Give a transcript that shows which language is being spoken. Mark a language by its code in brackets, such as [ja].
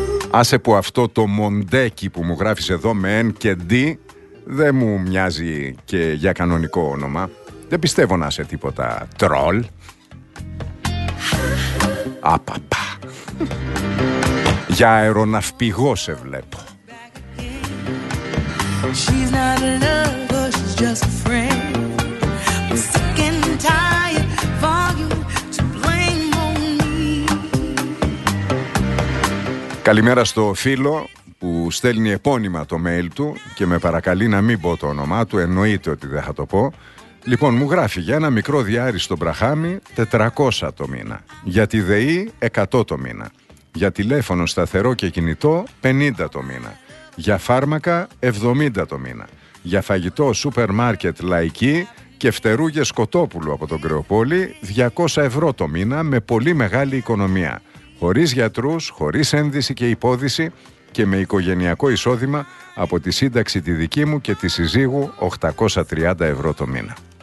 [el] Άσε που αυτό το μοντέκι που μου γράφεις εδώ με N και D δεν μου μοιάζει και για κανονικό όνομα. Δεν πιστεύω να είσαι τίποτα τρολ. Απαπα. Για αεροναυπηγό σε βλέπω. [en] She's not a lover, she's just a friend. I'm sick and tired for you to blame on me. [el] Καλημέρα στο φίλο που στέλνει επώνυμα το mail του και με παρακαλεί να μην πω το όνομά του, εννοείται ότι δεν θα το πω. Λοιπόν, μου γράφει για ένα μικρό διάρρη στον Μπραχάμι 400 το μήνα, για τη ΔΕΗ 100 το μήνα, για τηλέφωνο σταθερό και κινητό 50 το μήνα, για φάρμακα 70 το μήνα, για φαγητό σούπερ μάρκετ λαϊκή και φτερούγες κοτόπουλου από τον Κρεοπόλη 200 ευρώ το μήνα, με πολύ μεγάλη οικονομία, χωρίς γιατρούς, χωρίς ένδυση και υπόδηση και με οικογενειακό εισόδημα από τη σύνταξη τη δική μου και τη συζύγου 830 ευρώ το μήνα.